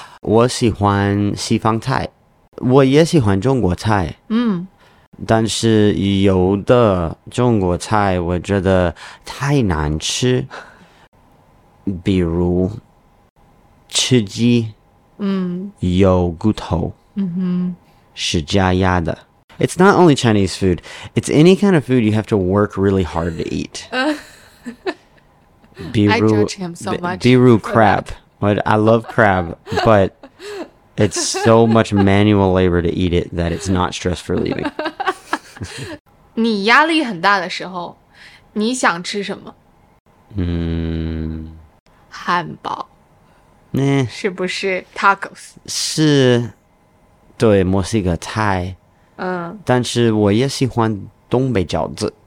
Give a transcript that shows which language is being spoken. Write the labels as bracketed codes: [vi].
[zh] 我喜欢西方菜，我也喜欢中国菜。嗯。但是有的中国菜我觉得太难吃，比如吃鸡，嗯，有骨头，嗯哼，是加压的。 [en] It's not only Chinese food, it's any kind of food you have to work really hard to eat. I judge him so much. [zh] 比如 [en] crab, but I love crab, but it's so much manual labor to eat it that it's not stress relieving. [zh] 你压力很大的时候，你想吃什么？嗯，汉堡。嗯、欸，是不是 tacos？是，对，墨西哥菜。嗯，但是我也喜欢东北饺子。